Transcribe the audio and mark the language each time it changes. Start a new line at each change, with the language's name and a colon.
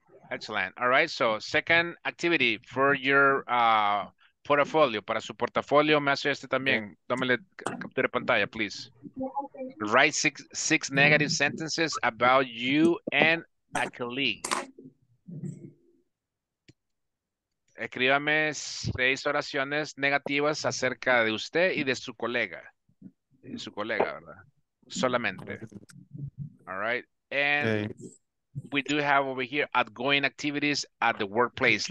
English: Excellent. All right. So second activity for your portfolio,
Spanish: para su portafolio, me hace este también. Dámele captura de pantalla,
English: please. Write six negative sentences about you and a colleague.
Spanish: Escríbame seis oraciones negativas acerca de usted y de su colega. De su colega, ¿verdad? Solamente.
English: All right. And okay. We do have over here outgoing activities at the workplace.